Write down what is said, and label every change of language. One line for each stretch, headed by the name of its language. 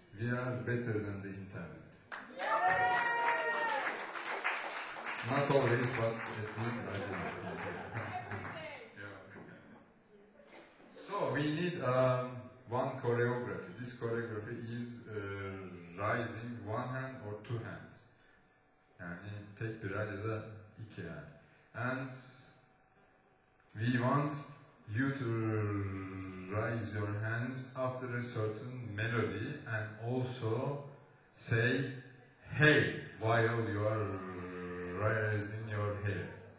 English: We are better than the internet. Yeah. Not always, but at least I do. So we need one choreography. This choreography is rising one hand or two hands.
Turkish: Yani tek bir el ya da iki el.
English: And we want you to raise your hands after a certain melody and also say hey while you are raising your hair.